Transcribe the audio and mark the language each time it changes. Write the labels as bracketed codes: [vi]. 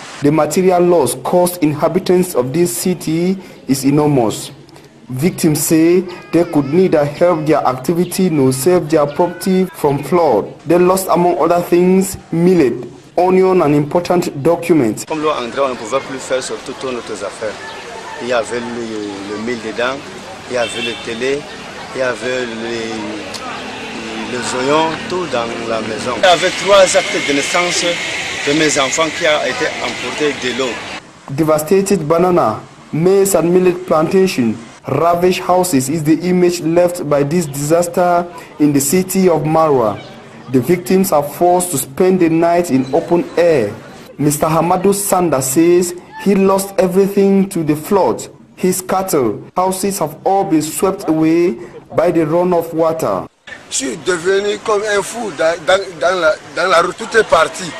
[en] The material loss caused inhabitants of this city is enormous. Victims say they could neither help their activity nor save their property from flood. They lost, among other things, millet, onion, and important documents. [fr] Comme l'eau entrait, on ne pouvait plus faire sur toutes nos affaires. Il y avait le mil dedans, il y avait le télé, il y avait les oignons, tout dans la maison. Il y avait trois actes de naissance de mes enfants qui a été emporté de l'eau. [en] Devastated banana, maize, and millet plantation. Ravaged houses is the image left by this disaster in the city of Marwa. The victims are forced to spend the night in open air. Mr. Hamadou Sanda says he lost everything to the flood. His cattle, houses have all been swept away by the runoff water. [fr] Je suis devenu comme un fou dans la rue, tout est parti.